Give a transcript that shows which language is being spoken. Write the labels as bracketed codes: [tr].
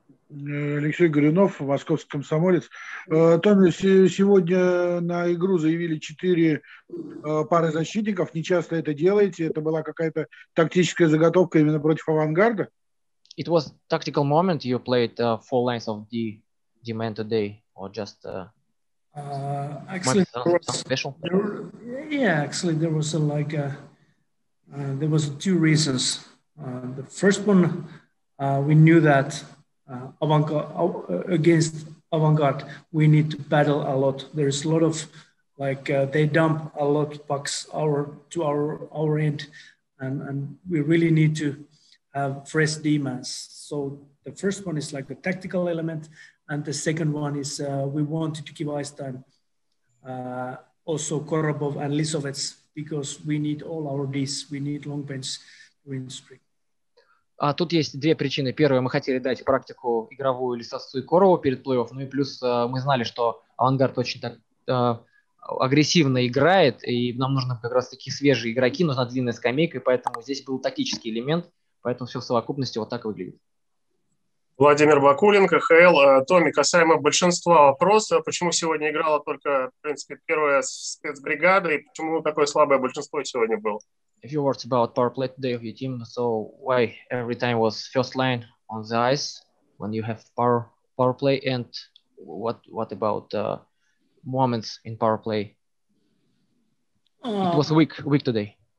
[ru] Алексей Горюнов, московский комсомолец. Томми, сегодня на игру заявили 4 пары защитников. Не часто это делаете. Это была какая-то тактическая заготовка именно против авангарда? [en] It was tactical moment. You played four lines of the man today, or just... There was two reasons. The first one, we knew that against avant-garde, we need to battle a lot. There is a lot of they dump a lot pucks to our end, and we really need to have fresh demands. So the first one is like a tactical element, and the second one is we wanted to give ice time. Also Korobov and Lisovets, because we need all our Ds, we need long bench during spring. [ru] Тут есть две причины. Первое, мы хотели дать практику игровую Лисовцу и Корову перед плей-офф, ну и плюс мы знали, что авангард очень так агрессивно играет, и нам нужны как раз такие свежие игроки, нужна длинная скамейка, и поэтому здесь был тактический элемент, поэтому все в совокупности вот так и выглядит. Владимир Бакулин, КХЛ. Томми, касаемо большинства вопросов, почему сегодня играла только, в принципе, первая спецбригада, и почему такое слабое большинство сегодня было? [en] A few words about power play today of your team. So why every time was first line on the ice when you have power play, and what about moments in power play? It was weak today.